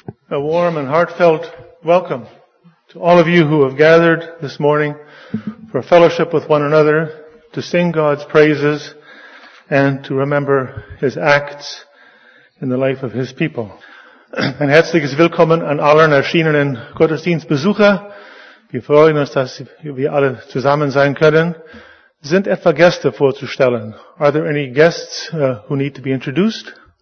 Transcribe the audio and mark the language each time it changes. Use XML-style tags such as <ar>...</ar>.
<en>Heartfelt welcome to all of you who have gathered this morning for fellowship with one another, to sing God's praises, and to remember his acts in the life of his people.</en> <de>Ein herzliches Willkommen an allen erschienenen Gottesdienstbesucher. Wir freuen uns, dass wir alle zusammen sein können. Sind etwa Gäste vorzustellen?</de> <en>Are there any guests who need to be introduced?</en>